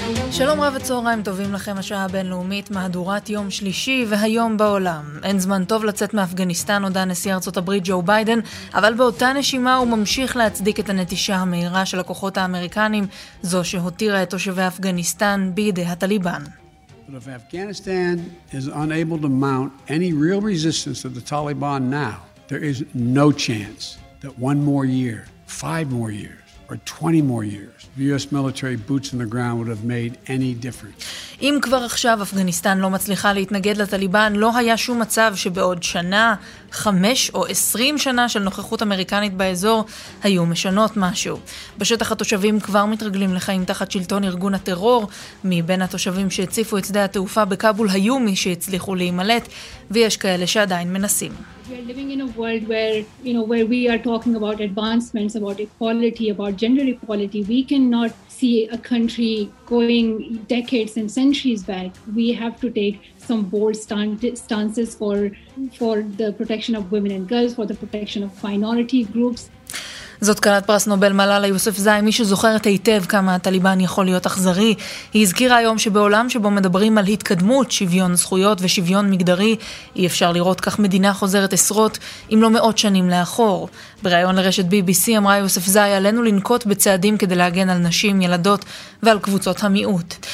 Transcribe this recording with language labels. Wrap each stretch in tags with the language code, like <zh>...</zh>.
<he>שלום רב, הצהריים טובים לכם. השעה הבינלאומית, מהדורת יום שלישי והיום בעולם. אין זמן טוב לצאת מאפגניסטן, הודע נשיא ארצות הברית ג'ו ביידן, אבל באותה נשימה הוא ממשיך להצדיק את הנטישה המהירה של הכוחות האמריקנים, זו שהותירה את תושבי אפגניסטן בידי הטליבן.</he> <en>But if Afghanistan is unable to mount any real resistance to the Taliban now, there is no chance that one more year, five more years, or 20 more years, the U.S. military boots on the ground would have made any difference.</en> <he>אם כבר עכשיו אפגניסטן לא מצליחה להתנגד לטליבן, לא היה שום מצב שבעוד שנה, 5 או 20 שנה של נוכחות אמריקנית באזור היו משנות משהו. בשטח התושבים כבר מתרגלים לחיים תחת שלטון ארגון הטרור. מבין התושבים שהציפו את שדה התעופה בקאבול היו מי שהצליחו להימלט, ויש כאלה שעדיין מנסים.</he> <en>We're living in a world where, you know, where we are talking about advancements, about equality, about gender equality. We cannot see a country going decades and centuries back. We have to take some bold stances for the protection of women and girls, for the protection of minority groups.</en> <he>זאת קלת פרס נובל מלאלה יוסף זאי, מי שזוכרת היטב כמה הטליבן יכול להיות אכזרי. היא הזכירה היום שבעולם שבו מדברים על התקדמות, שוויון זכויות ושוויון מגדרי, אי אפשר לראות כך מדינה חוזרת עשרות, אם לא מאות שנים לאחור. בריאיון לרשת BBC אמרה יוסף זאי, עלינו לנקוט בצעדים כדי להגן על נשים, ילדות ועל קבוצות המיעוט.</he>